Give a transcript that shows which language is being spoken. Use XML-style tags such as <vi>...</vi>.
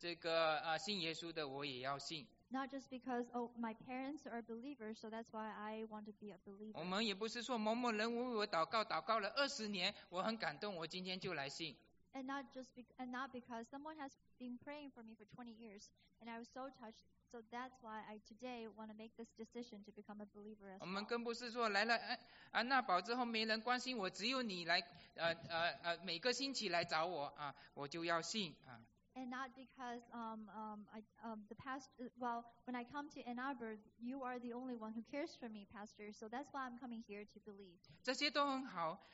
<zh>我们不是只是说，哦，我父母是这个信耶稣的，我也要信。</zh> <en>Not just because, oh, my parents are believers, so that's why I want to be a believer.</en> <zh>我们也不是说某某人为我祷告了20年，我很感动，我今天就来信。</zh> <en>And not just because someone has been praying for me for 20 years, and I was so touched, so that's why I today want to make this decision to become a believer as well.</en> <zh>我们更不是说来了安娜堡之后没人关心我，只有你来，每个星期来找我啊，我就要信啊。</zh> <en>And not because the pastor, well, when I come to Ann Arbor, you are the only one who cares for me, pastor, so that's why I'm coming here to believe.</en>